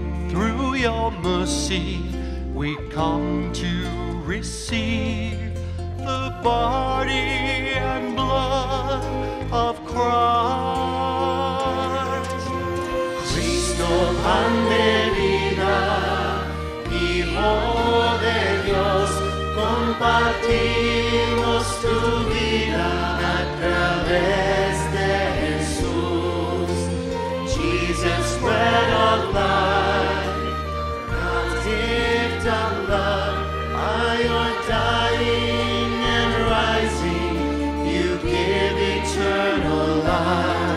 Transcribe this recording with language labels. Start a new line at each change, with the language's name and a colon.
English: Through your mercy, we come to receive the body and blood of Christ.
Spanish: Cristo pan de vida, Hijo de Dios, compartimos tu vida a través de Jesús.
English: Jesus, bread of life, gift of love, by your dying and rising, you give eternal life.